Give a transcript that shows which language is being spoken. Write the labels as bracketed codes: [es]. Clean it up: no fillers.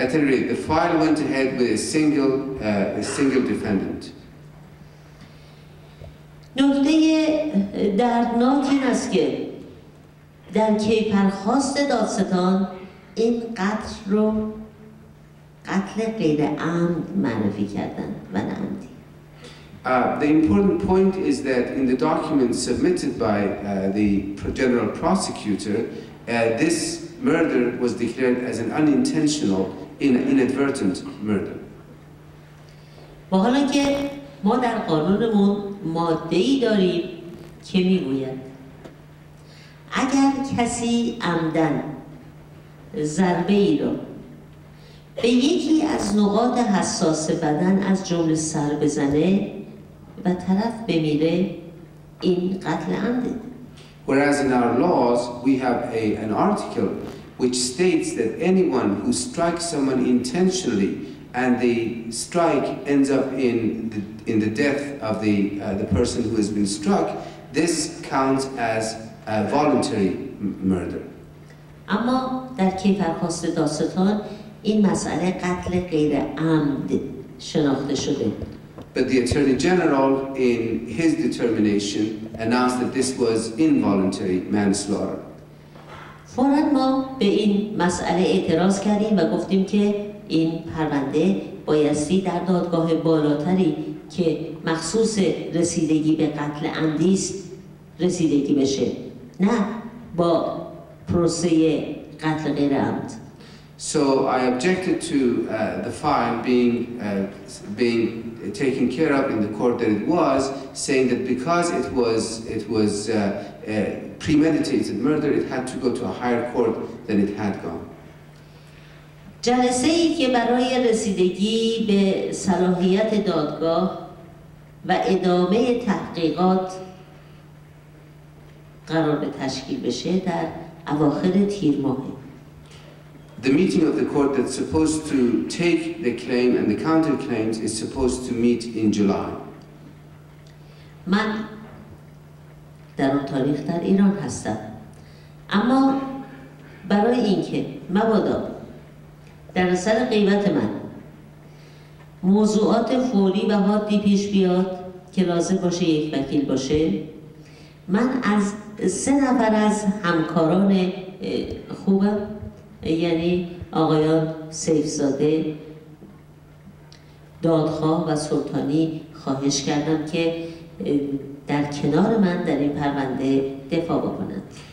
[en] At the file went ahead with a single defendant. [fa] نکته دردناک این است که در کیفرخواست دادستان این قتل رو قتل غیر عمد معرفی کردند و نه عمدی. [en] The important point is that in the document submitted by the general prosecutor, this murder was declared as an unintentional, inadvertent murder. [fa] با حالا که ما در قانونمون ماده ای داریم که میگوید اگر کسی عمدن ضربه ای رو به یکی از نقاط حساس بدن از جمله سر بزنه و طرف بمیره این قتل عمده. [en] Whereas in our laws we have an article which states that anyone who strikes someone intentionally and the strike ends up in the death of the person who has been struck, this counts as a voluntary murder. [fa] اما در کیفرخواست دادستان این مسئله قتل غیر عمد شناخته شده. [en] But the Attorney General, in his determination, announced that this was involuntary manslaughter. [fa] فوراً ما به این مسئله اعتراض کردیم و گفتیم که این پرونده بایستی در دادگاه بالاتری که مخصوص رسیدگی به قتل عمدی است رسیدگی بشه، نه با پروسه قتل غیر عمد. [en] So I objected to the file being taken care of in the court that it was, saying that because it was premeditated murder, it had to go to a higher court than it had gone. [fa] جلسه ای که برای رسیدگی به صلاحیت دادگاه و ادامه تحقیقات قرار به تشکیل بشه در اواخر تیر ماه. [en] The meeting of the court that's supposed to take the claim and the counterclaims is supposed to meet in July. [fa] من در اون تاریخ در ایران هستم. اما برای اینکه مبادا در اثر غیبت من موضوعات فوری و حادی پیش بیاد که لازم باشه یک وکیل باشه، من از سه نفر از همکاران خوبم، یعنی آقایان سیفزاده، دادخواه و سلطانی، خواهش کردم که در کنار من در این پرونده دفاع بکنند.